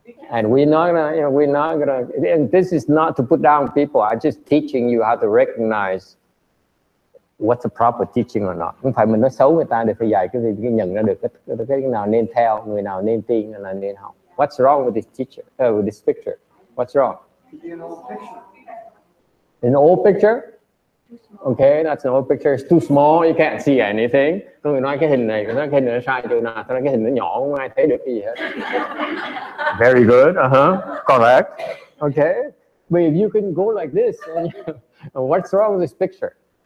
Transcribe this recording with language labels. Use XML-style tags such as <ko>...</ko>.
<en>And we're not gonna and this is not to put down people. I'm just teaching you how to recognize what's a proper teaching or not.</en> <vi>Không phải mình nói xấu người ta để phải dạy cái nhận ra được cái nào nên theo, người nào nên tin, người nào nên học.</vi> <en>What's wrong with this teacher? With this picture? What's wrong? An old picture. Okay, that's an old picture. It's too small. You can't see anything.</en> <vi>Tôi nói cái hình này, nó hình nó sai chỗ nào, tôi nói cái hình nó nhỏ, không ai thấy được cái gì hết.</vi> <en>Very good. Correct. Okay. But if you can go like this, what's wrong with this picture?</en>